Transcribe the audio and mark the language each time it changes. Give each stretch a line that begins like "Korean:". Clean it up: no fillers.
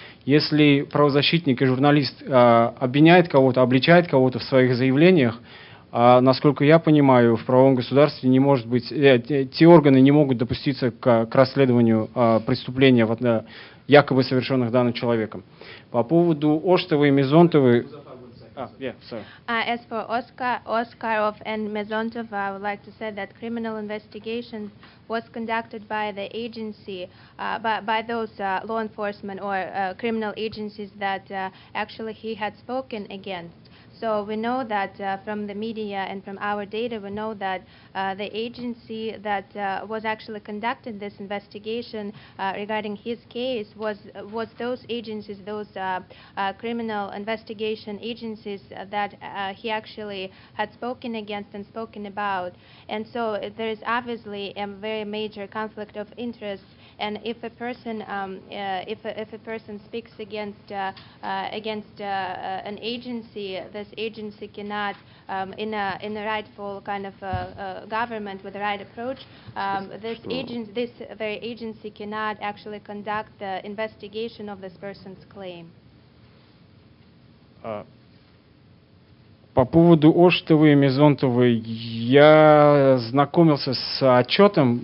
Russian: Если правозащитник и журналист обвиняет кого-то, обличает кого-то в своих заявлениях, насколько я понимаю, в правовом государстве не может быть, те органы не могут допуститься к расследованию преступления, якобы совершенных данным человеком. По поводу Оштовы и Мизонтовы...
English: As for Oskarov and Mezontov, I would like to say that criminal investigation was conducted by the agency, by those law enforcement or criminal agencies that actually he had spoken against. So we know that from the media and from our data, we know that the agency that was actually conducting this investigation regarding his case was those agencies, those criminal investigation agencies that he actually had spoken against and spoken about. And so there is obviously a very major conflict of interest. And if a person speaks against an agency, this agency cannot in a rightful kind of government with the right approach, this very agency cannot actually conduct the investigation of this person's claim.
Russian: По поводу Оштовой и Мизонтовой, я знакомился с отчетом.